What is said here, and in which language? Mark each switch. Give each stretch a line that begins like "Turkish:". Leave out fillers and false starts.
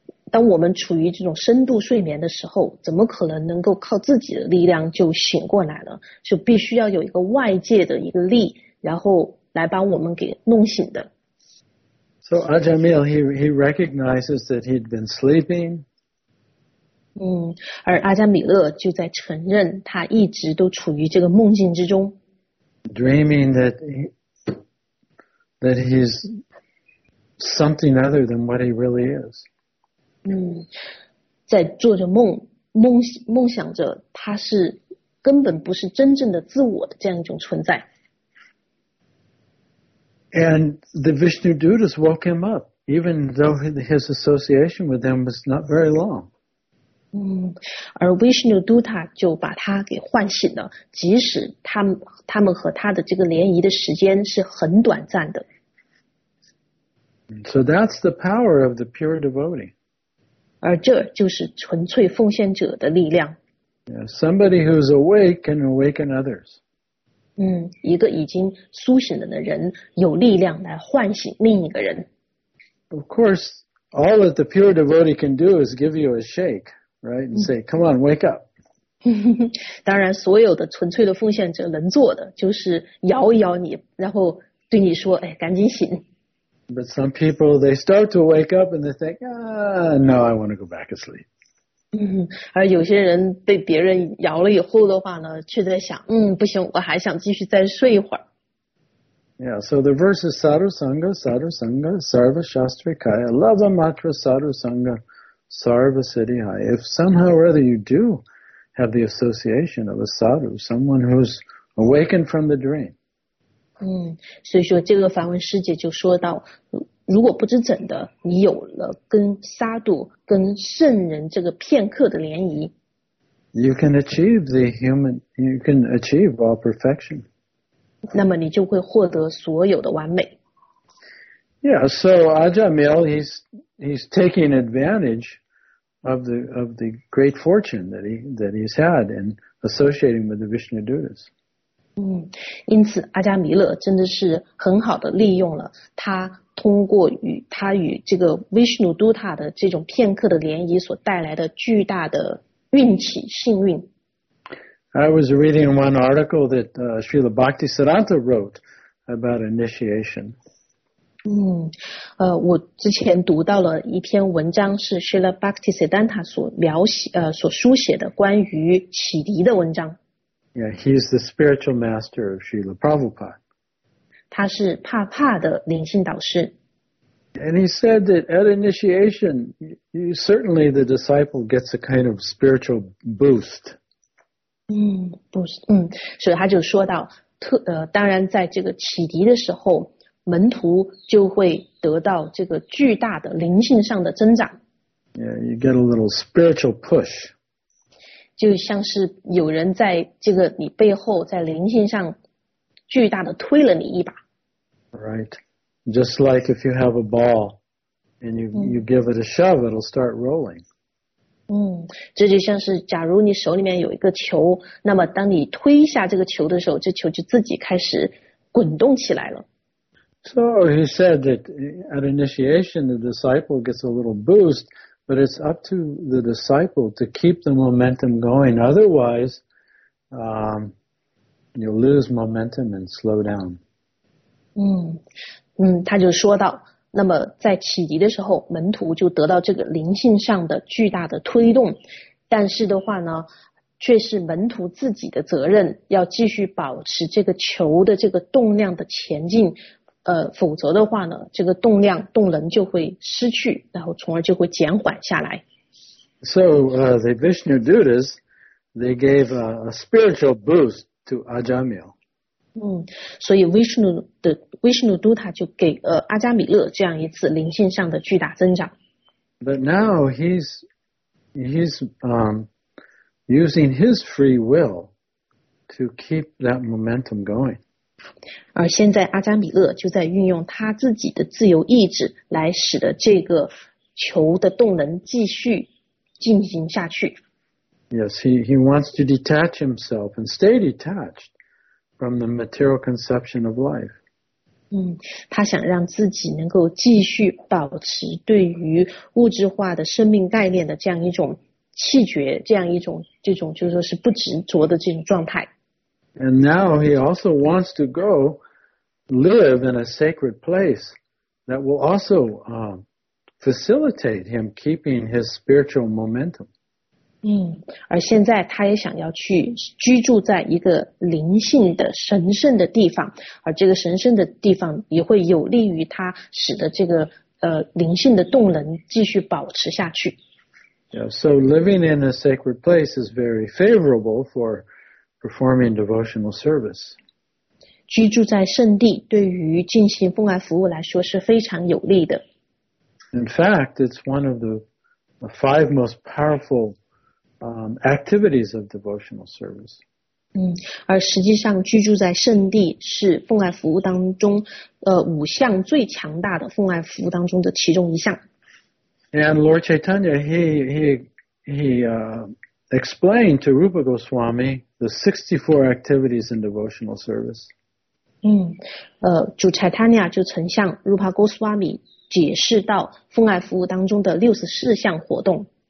Chinese: 当我们处于这种深度睡眠的时候，怎么可能能够靠自己的力量就醒过来呢？就必须要有一个外界的一个力，然后来把我们给弄醒的。
English: So Ajamil, he recognizes that he'd been sleeping.
Chinese: 而阿加米勒就在承认他一直都处于这个梦境之中。
English: Dreaming that he's something other than what he really is.
Chinese: 在做着梦想着他是根本不是真正的自我的这样一种存在。
English: And the Vishnu Dutas woke him up, even though his association with them was not very long.
Chinese: 而 Vishnu Dutta 就把他给唤醒了，即使他们和他的这个联谊的时间是很短暂的。
English: So that's the power of the pure devotee.
Chinese: 而这就是纯粹奉献者的力量。
English: Yeah, somebody who's awake can awaken others.
Chinese: 一个已经苏醒了的人有力量来唤醒另一个人。
English: Of course, all that the pure devotee can do is give you a shake, right? And say, come on, wake up.
Chinese: 当然，所有的纯粹的奉献者能做的就是摇一摇你，然后对你说，哎，赶紧醒。
English: But some people, they start to wake up and they think, ah, no, I want to go back asleep.
Chinese: 而有些人被别人摇了以后的话呢，却在想，不行，我还想继续再睡一会儿。
English: Yeah, so the verse is
Sanskrit: Sadhu Sangha, Sadhu Sangha, Sarva Shastri Kaya, Lava Matra Sadhu Sangha, Sarva Siddhi Hai.
English: If somehow or other you do have the association of a sadhu, someone who's awakened from the dream.
Chinese: 所以说这个梵文师姐就说到，如果不知怎的，你有了跟沙度、跟圣人这个片刻的联谊
English: ，You can achieve the human. You can achieve all perfection.
Chinese: 那么你就会获得所有的完美。
English: Yeah, so Ajamil, he's taking advantage of the great fortune that he's had in associating with the Vishnu Dutas.
Chinese: 因此阿加弥勒真的是很好的利用了他通过与他与这个 Vishnu Dutta 的这种片刻的联谊所带来的巨大的运气幸运。
English: I was reading one article that Srila Bhaktisiddhanta wrote about initiation.
Chinese: 我之前读到了一篇文章，是 Srila Bhaktisiddhanta 所书写的关于启迪的文章。
English: Yeah, he's the spiritual master of Srila Prabhupada.
Chinese: 他是帕帕的灵性导师。
English: And he said that at initiation, certainly the disciple gets a kind of spiritual boost. Boost.
Chinese: 所以他就说到，当然在这个启迪的时候，门徒就会得到这个巨大的灵性上的增长。
English: Yeah, you get a little spiritual push.
Chinese: 就像是有人在这个你背后在灵性上巨大的推了你一把。
English: Right. Just like if you have a ball and you give it a shove, it'll start rolling.
Chinese: 这就像是假如你手里面有一个球，那么当你推一下这个球的时候，这球就自己开始滚动起来了。
English: So he said that at initiation, the disciple gets a little boost,But it's up to the disciple to keep the momentum going. Otherwise, you'll lose momentum and slow down.
Chinese: 他就说到，那么在启迪的时候，门徒就得到这个灵性上的巨大的推动，但是的话呢，却是门徒自己的责任，要继续保持这个球的这个动量的前进，否则的话呢，这个动量动能就会失去，然后从而就会减缓下来。
English: So, the Vishnu Dutas, they gave a spiritual boost to Ajamil.
Chinese: 嗯，所以 Vishnu 的 Vishnu Duta 就给阿加米勒这样一次灵性上的巨大增长。
English: But now he's using his free will to keep that momentum going.
Chinese: 而现在阿加米勒就在运用他自己的自由意志来使得这个球的动能继续进行下去。
English: Yes, he wants to detach himself and stay detached from the material conception of life.
Chinese: 他想让自己能够继续保持对于物质化的生命概念的这样一种弃绝，这样一种这种就是说是不执着的这种状态。
English: And now he also wants to go live in a sacred place that will also facilitate him keeping his spiritual momentum.
Chinese: 而现在他也想要去居住在一个灵性的神圣的地方，而这个神圣的地方也会有利于他使得这个灵性的动能继续保持下去。
English: Yeah, so living in a sacred place is very favorable for performing devotional service.
Chinese: 居住在圣地对于进行奉爱服务来说是非常有利的。
English: In fact, it's one of the five most powerful activities of devotional service.
Chinese: 而实际上居住在圣地是奉爱服务当中五项最强大的奉爱服务当中的其中一项。
English: And Lord Chaitanya, he explained to Rupa Goswami the 64 activities in devotional service.
Chinese: 主 Chaitanya 就曾向 Rupa Goswami 解释到奉爱服务当中的64项活动。